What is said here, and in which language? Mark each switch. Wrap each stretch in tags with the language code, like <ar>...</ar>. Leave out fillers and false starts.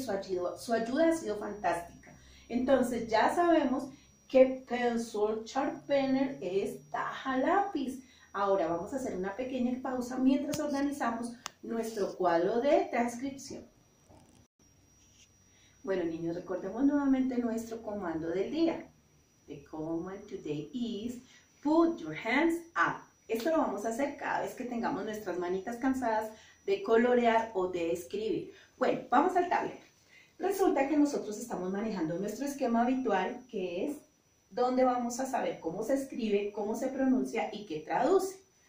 <es>Su ayuda ha sido fantástica. Entonces ya sabemos que pencil sharpener es tajalápiz. Ahora vamos a hacer una pequeña pausa mientras organizamos nuestro cuadro de transcripción. Bueno, niños, recordemos nuevamente nuestro comando del día.</es> <en>The comment today is put your hands up.</en> <es>Esto lo vamos a hacer cada vez que tengamos nuestras manitas cansadas de colorear o de escribir. Bueno, vamos al tablero. Resulta que nosotros estamos manejando nuestro esquema habitual, que es donde vamos a saber cómo se escribe, cómo se pronuncia y qué traduce.</es>